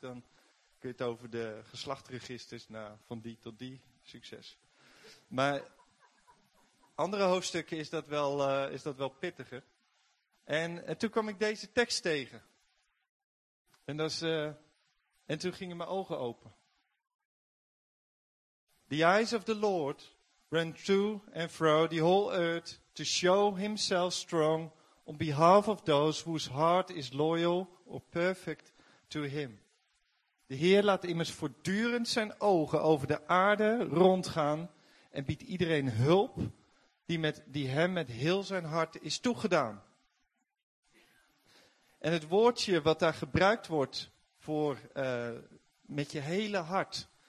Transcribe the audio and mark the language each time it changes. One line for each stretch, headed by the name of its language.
Dutch: Dan kun je het over de geslachtregisters. Nou, van die tot die. Succes. Maar andere hoofdstukken is dat wel pittiger. En toen kwam ik deze tekst tegen. En toen gingen mijn ogen open.
English: The eyes of the Lord ran to and fro the whole earth to show himself strong. On behalf of those whose heart is loyal or perfect to him.
Dutch: De Heer laat immers voortdurend zijn ogen over de aarde rondgaan. En biedt iedereen hulp die hem met heel zijn hart is toegedaan. En het woordje wat daar gebruikt wordt voor met je hele hart.